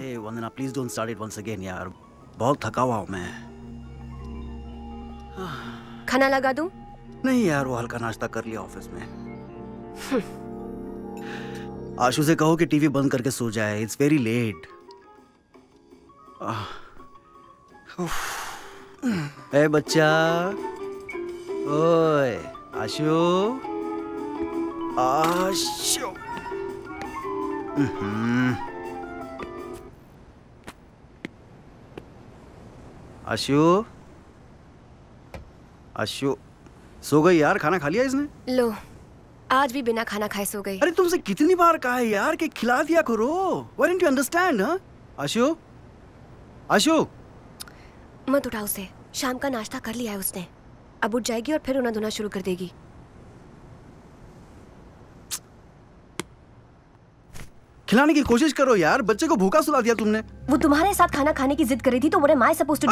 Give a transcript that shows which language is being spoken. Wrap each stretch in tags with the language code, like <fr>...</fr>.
<en>Hey Vandana, please don't start it once again, यार।</en> <hi>बहुत थका हुआ हूँ मैं। खाना लगा दूँ? नहीं यार, वो हल्का नाश्ता कर लिया ऑफिस में। आशु से कहो कि टीवी बंद करके सो जाए।</hi> <en>It's very late. Hey बच्चा।</en> <hi>ओए आशु। आशु, आशु, सो गई यार? खाना खा लिया इसने? लो, आज भी बिना खाना खाए सो गई। अरे तुमसे कितनी बार कहा है यार कि खिला दिया करो।</hi> <en>Why don't you understand, huh?</en> <hi>आशु, मत उठा उसे। शाम का नाश्ता कर लिया है उसने, अब उठ जाएगी और फिर रोना धोना शुरू कर देगी। खिलाने की कोशिश करो यार, बच्चे को भूखा सुला दिया तुमने। वो तुम्हारे साथ खाना खाने की जिद कर रही थी, तो</hi> <en>what am I supposed to</en>